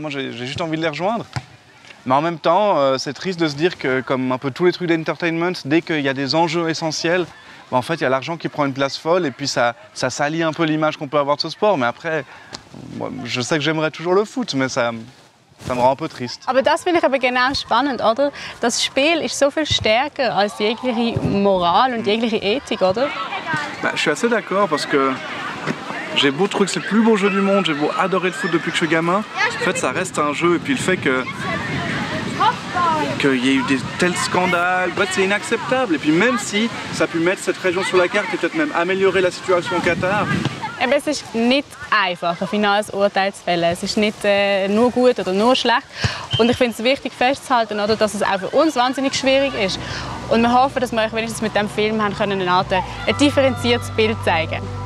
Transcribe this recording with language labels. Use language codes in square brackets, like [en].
[fr] Moi, j'ai juste envie de les rejoindre. Mais en même temps, c'est triste de se dire que, comme un peu tous les trucs d'entertainment, dès qu'il y a des enjeux essentiels, bah, en fait, il y a l'argent qui prend une place folle et puis ça salit un peu l'image qu'on peut avoir de ce sport. Mais après, moi, je sais que j'aimerais toujours le foot, mais ça... Ça me rend un peu triste. [de] Aber das finde ich aber genau spannend, oder? Das Spiel ist so viel stärker als jegliche Moral und jegliche Ethik, oder? [fr] Bah, je suis assez d'accord parce que j'ai beau trouver que c'est le plus beau jeu du monde, j'ai beau adorer le foot depuis que je suis gamin. En fait, ça reste un jeu et puis le fait qu'il y ait eu des tels scandales, bah, c'est inacceptable. Et puis même si ça a pu mettre cette région sur la carte et peut-être même améliorer la situation au Qatar, [de] Eben, es ist nicht einfach, ein finales Urteil zu fällen. Es ist nicht nur gut oder nur schlecht. Und ich finde es wichtig festzuhalten, oder, dass es auch für uns wahnsinnig schwierig ist. Und wir hoffen, dass wir euch wenigstens mit diesem Film haben können, eine Art, ein differenziertes Bild zeigen.